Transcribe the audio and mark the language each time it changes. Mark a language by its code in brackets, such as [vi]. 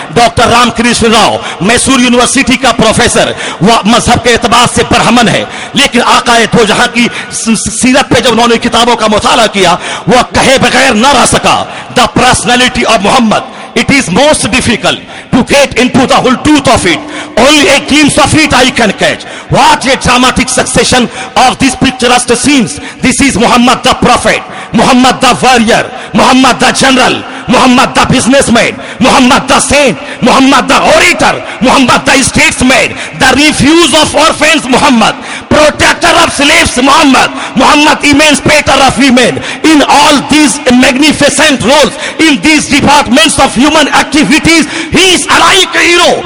[ur] Doctor Ram Krishna Rao Mysore university کا professor, وہ مذہب کے اعتبار سے برہمن ہے، لیکن آقا تو جہاں کی سیرت پہ جب انہوں نے کتابوں کا مطالعہ کیا وہ کہے بغیر نہ رہ سکا. [en] The personality of Muhammad, it is most difficult to get into the whole truth of it, only a glimpse of it I can catch. What a dramatic succession of this picturesque scenes. This is Muhammad the prophet, Muhammad the warrior, Muhammad the general, Muhammad the businessman, Muhammad the saint, Muhammad the orator, Muhammad the statesman, the refuge of orphans Muhammad, protector of slaves Muhammad, Muhammad emancipator of women. In all these magnificent roles, in these departments of human activities, he is alike a hero.